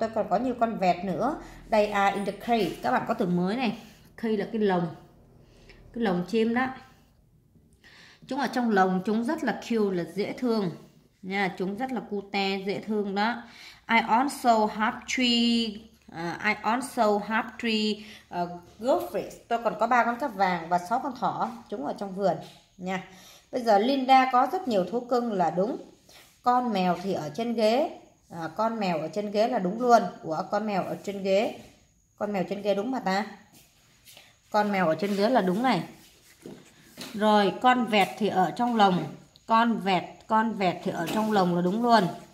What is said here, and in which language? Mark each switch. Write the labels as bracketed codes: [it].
[vi] Tôi còn có nhiều con vẹt nữa. [en] They are in the cage. [vi] Các bạn có từ mới này. Cage là cái lồng. Cái lồng chim đó. Chúng ở trong lồng chúng rất là cute, là dễ thương nha, chúng rất là cute, dễ thương đó. [en] I also have three I also have three goldfish. [vi] Tôi còn có ba con cáp vàng và sáu con thỏ, chúng ở trong vườn nha. Bây giờ Linda có rất nhiều thú cưng là đúng. Con mèo thì ở trên ghế, con mèo ở trên ghế là đúng luôn. Ủa, con mèo ở trên ghế, con mèo trên ghế đúng mà ta. Con mèo ở trên ghế là đúng này. Rồi con vẹt thì ở trong lồng, con vẹt thì ở trong lồng là đúng luôn.